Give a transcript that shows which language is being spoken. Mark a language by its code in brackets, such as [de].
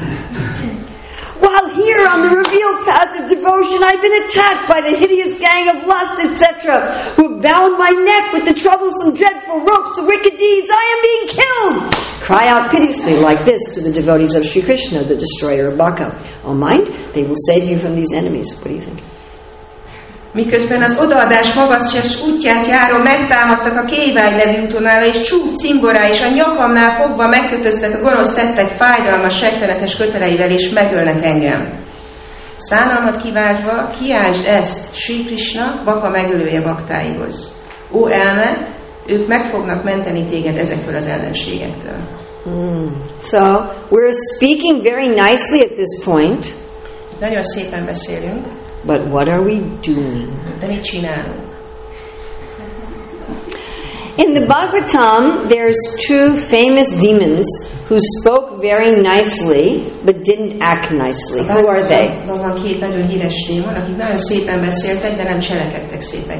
[en] While here on the revealed path of devotion I've been attacked by the hideous gang of lust, etc., who have bound my neck with the troublesome dreadful ropes of wicked deeds. I am being killed! Cry out piteously like this to the devotees of Sri Krishna, the destroyer of Baka. O mind, they will save you from these enemies. What do you think? [hu] Miközben az odaadás magasztás útját járó megtámadtak a Kévány nevű utonára, és csúf cimborá, és a nyakamnál fogva megkötöztet a gorosz tettek fájdalmas, rettenetes köteleivel, és megölnek engem. Szánalmat kiváltva, kiáltsd ezt Sri Krishna, Baka megölője baktáihoz. Ó elme, ők meg fognak menteni téged ezektől az ellenségektől. [en] So, we're speaking very nicely at this point. [hu] Nagyon szépen beszélünk. [en] But what are we doing? [hu] De mit csinálunk? [en] In the Bhagavatam, there's two famous demons who spoke very nicely, but didn't act nicely. Who are they? [hu] Van két nagyon híres démon, akik nagyon szépen beszéltek, de nem cselekedtek szépen.